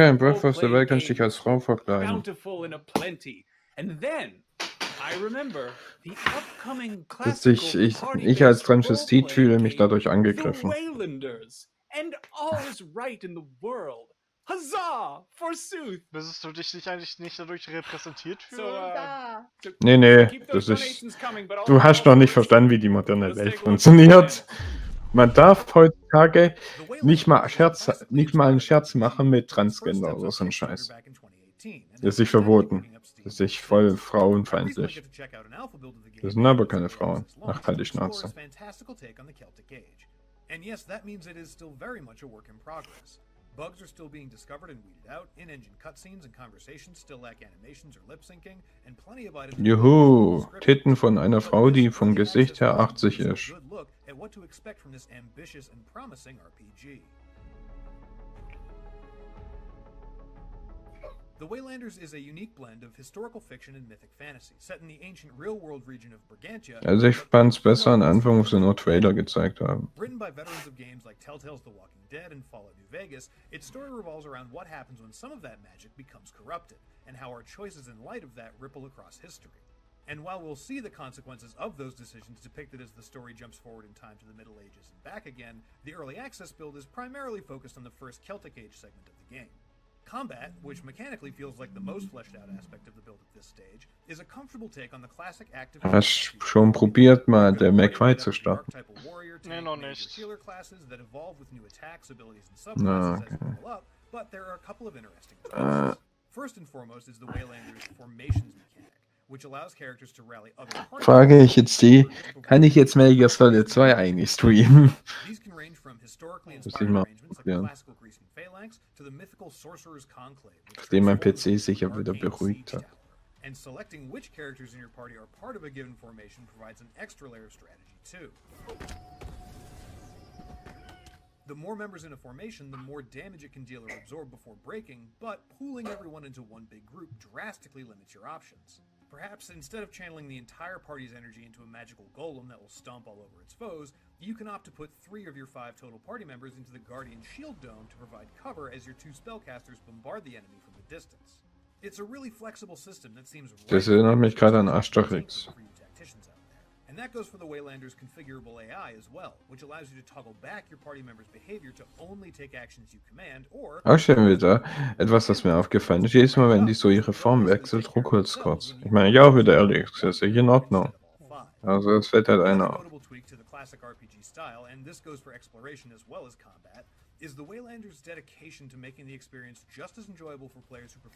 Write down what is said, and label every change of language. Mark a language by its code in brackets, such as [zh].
[de] okay, in Breath of the Wild kannst du dich als Frau verkleiden. [en] Bountiful in a plenty. And then I remember the upcoming classical party. [de] Ich als Transvestit fühle mich dadurch angegriffen. [en] The Waylanders, and all is right in the world. Huzzah, forsooth! [de] Müsstest du dich nicht eigentlich nicht dadurch repräsentiert fühlen? So, nee, das ist... Du hast noch nicht verstanden, wie die moderne Welt funktioniert. Man darf heutzutage nicht mal einen Scherz machen mit Transgender oder so ein Scheiß. Das ist nicht verboten. Das ist nicht voll frauenfeindlich. Das sind aber keine Frauen. Ach, halt die Schnauze. [en] And yes, that means it is still very much a work in progress. Bugs are still being discovered and weeded out, in-engine cutscenes and conversations still lack animations or lip-syncing, and plenty of items... [de] Juhu! Titten von einer Frau, die vom Gesicht her 80 ist. [en] ...good look at what to expect from this ambitious and promising RPG. The Waylanders is a unique blend of historical fiction and mythic fantasy, set in the ancient real-world region of Brigantia. [de] Also ich fand's besser an Anfang, wo sie nur Trailer gezeigt haben. [en] Written by veterans of games like Telltale's The Walking Dead and Fallout New Vegas, its story revolves around what happens when some of that magic becomes corrupted, and how our choices in light of that ripple across history. And while we'll see the consequences of those decisions depicted as the story jumps forward in time to the Middle Ages and back again, the Early Access build is primarily focused on the first Celtic Age segment of the game. Combat, which mechanically feels like the most fleshed out aspect of the build at this stage, is a comfortable take on the classic active... [de] Hast schon probiert mal, der McQuaid zu starten? Nee, noch nicht. [en] ...healer classes that evolve with new attacks, abilities, and subclasses as they level up, but there are a couple of interesting choices. First and foremost is the Waylander's formations mechanic, which allows characters to rally other... [de] Frage ich jetzt die, kann ich jetzt Metal Gear Solid 2 eigentlich streamen? [en] These can range from historically inspired arrangements like classical Greece and Phalanx, to the mythical Sorcerer's Conclave, [de] nachdem mein PC sich ja wieder beruhigt hat. [en] And selecting which characters in your party are part of a given formation provides an extra layer of strategy too. The more members in a formation, the more damage it can deal or absorb before breaking, but pooling everyone into one big group drastically limits your options. Perhaps instead of channeling the entire party's energy into a magical golem that will stomp all over its foes, you can opt to put three of your five total party members into the Guardian Shield Dome to provide cover as your two spellcasters bombard the enemy from a distance. It's a really flexible system that seems... [de] Das erinnert mich gerade an Asterix. [en] And that goes for the Waylander's configurable AI as well, which allows you to toggle back your party members' behavior to only take actions you command, or... [de] Auch schon wieder etwas, das mir aufgefallen ist. Jedes Mal, wenn die so ihre Form wechselt, ruckelt es kurz. Ich meine, ich auch wieder Early Access, ich in Ordnung. Also, es fällt halt einer auf. [en] Classic RPG style, and this goes for exploration as well as combat, is the Waylander's dedication to making the experience just as enjoyable for players who prefer...